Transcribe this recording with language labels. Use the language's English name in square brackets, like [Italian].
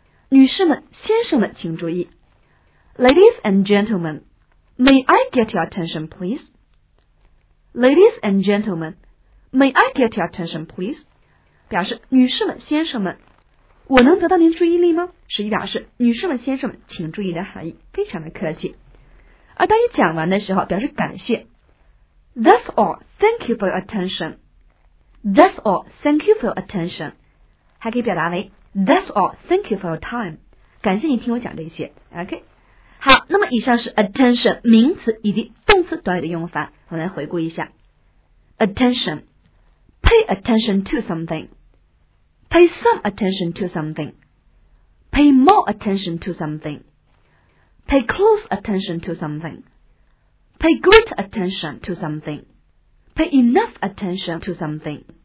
[Chinese] 女士们、先生们，请注意 [English] ，Ladies and gentlemen, may I get your attention, please? Ladies and gentlemen, may I get your attention, please? [Chinese] 表示女士们、先生们，我能得到您注意力吗？实际表示女士们、先生们，请注意的含义，非常的客气。而当你讲完的时候，表示感谢。 [English] That's all. Thank you for your attention. That's all. Thank you for your attention. [Chinese] 还可以表达为 [English] That's all. Thank you for your time. [Chinese] 感谢你听我讲这些。 [English] OK. [Chinese] 好，那么以上是 attention 名词以及动词短语的用法。我们来回顾一下 [English] ：attention, pay attention to something, pay some attention to something, pay more attention to something, pay close attention to something. Pay great attention to something. Pay enough attention to something.